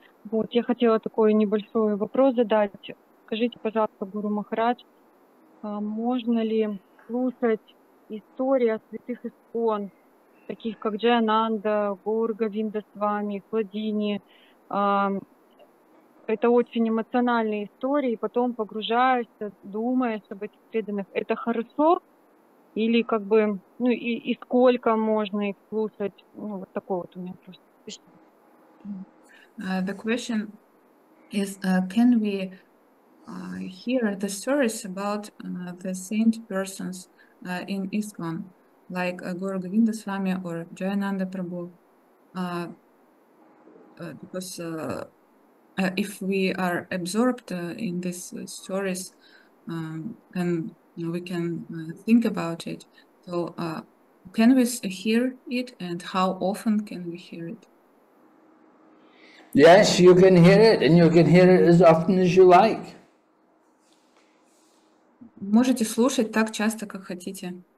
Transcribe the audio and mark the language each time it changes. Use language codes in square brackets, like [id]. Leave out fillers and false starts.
[ru] Вот, я хотела такой небольшой вопрос задать. Скажите, пожалуйста, Гуру Махарадж, можно ли слушать истории о святых искон, таких как Джайананда, Гаур-Говинда с вами, Кладини, это очень эмоциональные истории, потом погружаешься, думаешь об этих преданных. Это хорошо? Или как бы, ну и сколько можно их слушать? Ну, вот такой вот у меня просто. [en] The question is, can we hear the stories about the saint persons in ISKCON, like Guru Govinda Swami or Jayananda Prabhu? because if we are absorbed in these stories, then we can think about it. So can we hear it, and how often can we hear it? Yes, you can hear it, and you can hear it as often as you like. [ru] Можете слушать так часто, как хотите.